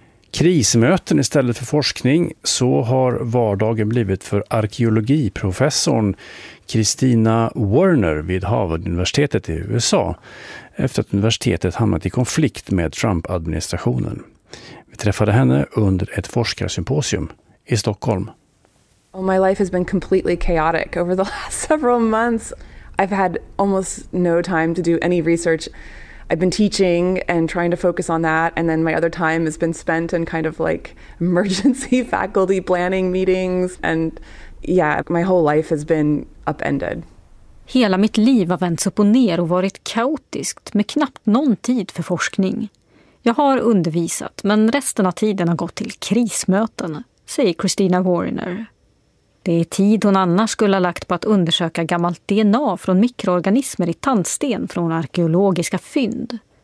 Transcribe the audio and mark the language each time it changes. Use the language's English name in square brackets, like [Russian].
[Swedish] Krismöten istället för forskning, så har vardagen blivit för arkeologiprofessorn Christina Werner vid Harvard-universitetet i USA efter att universitetet hamnat i konflikt med Trump-administrationen. Vi träffade henne under ett forskarsymposium i Stockholm. [English] My life has been completely chaotic over the last several months. I've had almost no time to do any research. I've been teaching and trying to focus on that, and then my other time has been spent in kind of like emergency faculty planning meetings, and yeah, my whole life has been upended. [Swedish] Hela mitt liv har vänts upp och ner och varit kaotiskt med knappt någon tid för forskning. Jag har undervisat, men resten av tiden har gått till krismöten, säger Christina Werner. Det är tid hon annars skulle ha lagt på att undersöka gammalt DNA från mikroorganismer i tandsten från arkeologiska fynd.